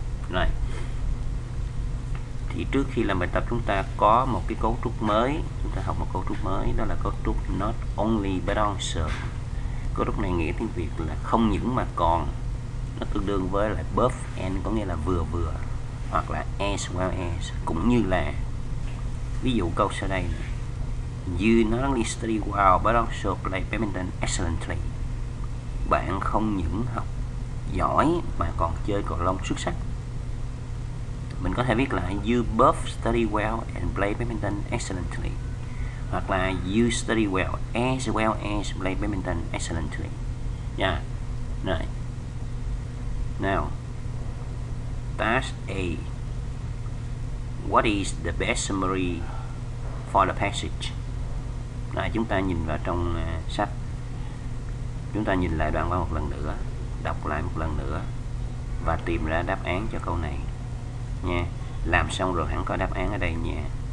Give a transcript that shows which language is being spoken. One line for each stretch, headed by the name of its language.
Vietnamese: Rồi, thì trước khi làm bài tập chúng ta có một cái cấu trúc mới, chúng ta học một cấu trúc mới, đó là cấu trúc not only but also. Cấu trúc này nghĩa tiếng Việt là không những mà còn. Nó tương đương với là both and, có nghĩa là vừa vừa, hoặc là as well as, cũng như là ví dụ câu sau đây này.
English: You not only study well but also play badminton excellently.
Vietnamese: Bạn không những học giỏi mà còn chơi cầu lông xuất sắc. Mình có thể viết là
English: you both study well and play badminton excellently,
Vietnamese: hoặc là
English: you study well as play badminton excellently.
Vietnamese: Nha. Rồi.
English: Now, task A. What is the best summary for the passage?
Vietnamese: Rồi, chúng ta nhìn vào trong sách. Chúng ta nhìn lại đoạn văn một lần nữa, đọc lại một lần nữa và tìm ra đáp án cho câu này. Nha. Làm xong rồi hẳn có đáp án ở đây nha.